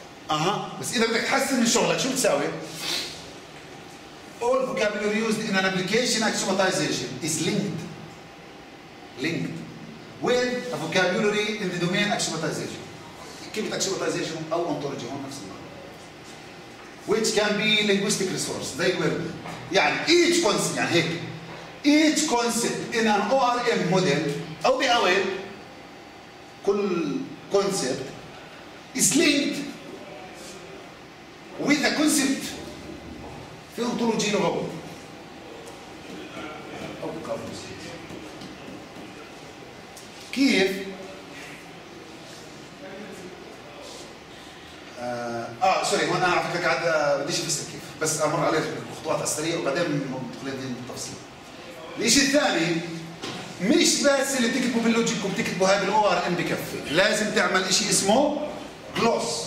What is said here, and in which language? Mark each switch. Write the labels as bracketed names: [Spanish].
[Arabic] اها بس اذا بدك تحسن من شغلك شو بتساوي؟ [English] All vocabulary used in an application axiomatization is linked with a vocabulary in the domain axiomatization. [Arabic] كلمة axiomatization أو ontology هون نفس المعنى. [English] Which can be linguistic resource. They will. [Arabic] يعني [English] each concept [Arabic] يعني هيك. [English] Each concept in an ORM model [Arabic] أو بأول كل كونسبت [English] is linked with a concept [Arabic] في انطولوجي لغوي او قاموس. كيف؟ سوري هون انا على فكره قاعد بديش افسر كيف، بس امر عليك بخطوات السريع وبعدين بدخلين بالتفصيل. الشيء الثاني مش بس اللي بتكتبه باللوجيك وبتكتبه هاي بالاو ار ام بكفي، لازم تعمل شيء اسمه جلوس.